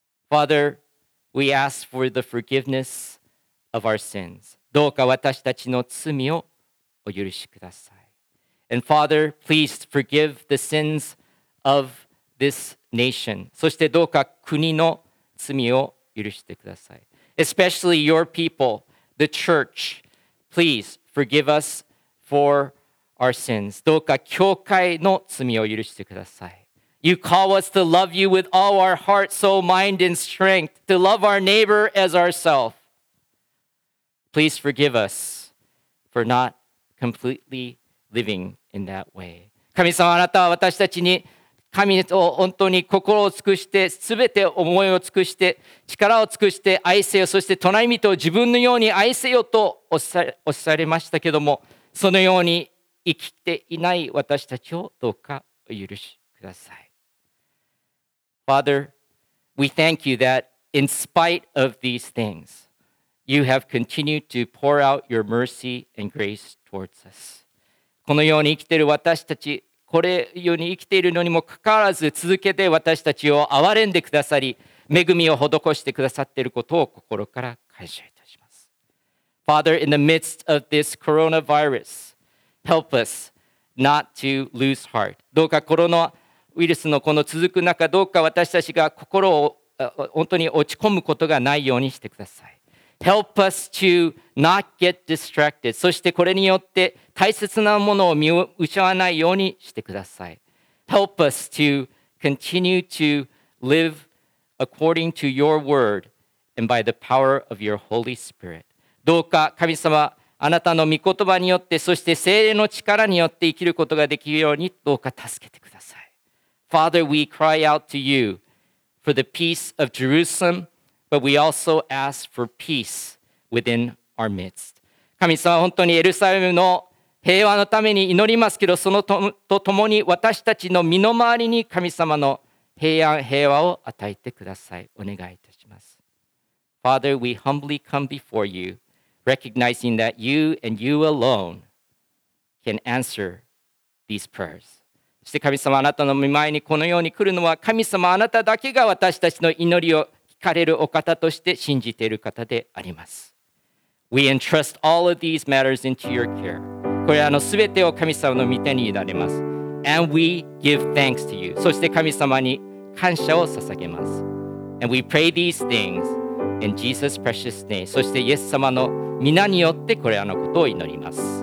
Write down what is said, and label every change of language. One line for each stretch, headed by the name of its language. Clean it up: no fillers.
English: Father, we ask for the forgiveness of our sins.
Japanese: どうか私たちの罪をお許しください。
English: And Father, please forgive the sins of this nation.
Japanese: そしてどうか国の罪を許してください。
English: Especially your people, the church, please forgive us for our sins.
Japanese: どうか教会の罪を許してください。
English: You call us to love you with all our heart, soul, mind, and strength, to love our neighbor as ourself. Please forgive us for not completely living in that way.
Japanese: 神様、あなたは私たちに神と本当に心を尽くして、すべて思いを尽くして、力を尽くして愛せよ、そして隣人を自分のように愛せよとおっしゃれましたけども、そのように生きていない私たちをどうかお許しください。
English: Father, we thank you that in spite of these things, you have continued to pour out your mercy and grace towards us.
Japanese: このように生きている私たち、これように生きているのにもかかわらず続けて私たちを憐れんでくださり、恵みを施してくださっていることを心から感謝いたします。
English: Father, in the midst of this coronavirus, help us not to lose heart.
Japanese: どうかコロナウイルスのこの続く中、どうか私たちが心を本当に落ち込むことがないようにしてください。
English: Help us to not get distracted.
Japanese: そしてこれによって大切なものを見失わないようにしてください。
English: Help us to continue to live according to your word and by the power of your Holy Spirit.
Japanese: どうか神様、あなたの御言葉によって、そして聖霊の力によって生きることができるようにどうか助けてください。
English: Father, we cry out to you for the peace of Jerusalem, but we also ask for peace within our midst.
Japanese: 神様、本当にエルサレムの平和のために祈りますけど、そのとともに私たちの身の回りに神様の平安、平和を与えてください。お願いいたします。
English: Father, we humbly come before you, recognizing that you and you alone can answer these prayers.
Japanese: そして神様、あなたの御前にこのように来るのは、神様、あなただけが私たちの祈りを聞かれるお方として信じている方であります。
English: We entrust all of these matters into your care.
Japanese: これらのすべてを神様の御手に委ねます。
English: And we give thanks to you.
Japanese: そして神様に感謝を捧げます。
English: And we pray these things in Jesus' precious name.
Japanese: そしてイエス様の御名によってこれらのことを祈ります。